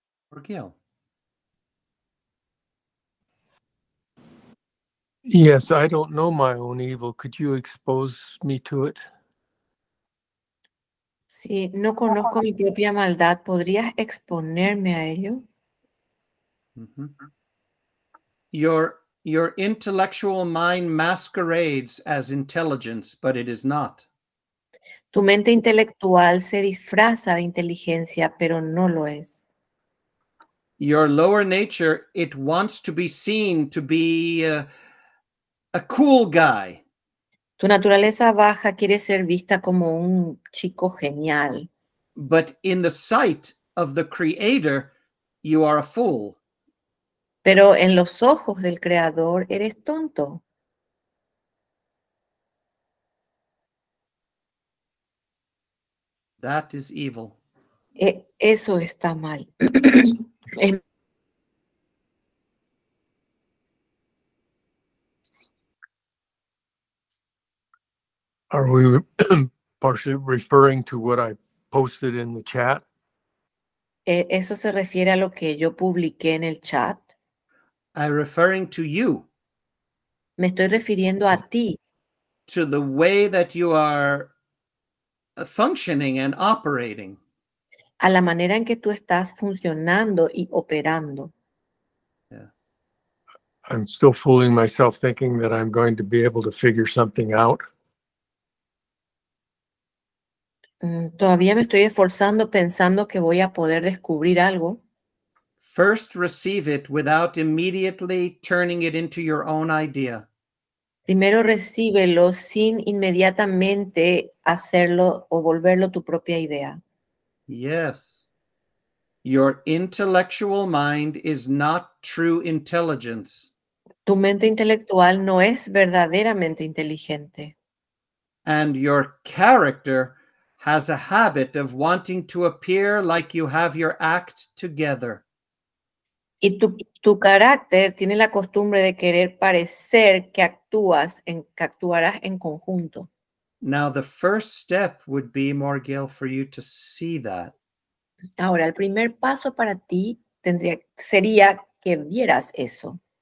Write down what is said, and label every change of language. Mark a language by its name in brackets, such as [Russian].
[Spanish] Por qué. [English] Yes, I don't know my own evil. Could you expose me to it? [Spanish] Si no conozco mi propia maldad, ¿podrías exponerme a ello? Mm-hmm. [English] Your intellectual mind masquerades as intelligence, but it is not. [Spanish] Tu mente intelectual se disfraza de inteligencia, pero no lo es. [English] Your lower nature, it wants to be seen to be a cool guy. [Spanish] Tu naturaleza baja quiere ser vista como un chico genial. [English] But in the sight of the creator, you are a fool. [Spanish] Pero en los ojos del creador eres tonto. [English] That is evil. [Spanish] Eso está mal. [English] Are we partially referring to what I posted in the chat? [Spanish] Eso se refiere a lo que yo publiqué en el chat. [English] I'm referring to you. [Spanish] Me estoy refiriendo a ti. [English] To the way that you are functioning and operating. [Spanish] A la manera en que tú estás funcionando y operando. [English] Yes. I'm still fooling myself thinking that I'm going to be able to figure something out. [Spanish] Todavía me estoy esforzando pensando que voy a poder descubrir algo. [English] First receive it without immediately turning it into your own idea. [Spanish] Primero recíbelo sin inmediatamente hacerlo o volverlo tu propia idea. [English] Yes. Your intellectual mind is not true intelligence. [Spanish] Tu mente intelectual no es verdaderamente inteligente. [English] And your character has a habit of wanting to appear like you have your act together. [Spanish] Y tu carácter tiene la costumbre de querer parecer que actúas en que actuarás en conjunto. [English] Now the first step would be, Morgiel, for you to see that. [Spanish] Ahora el primer paso para ti sería que vieras eso.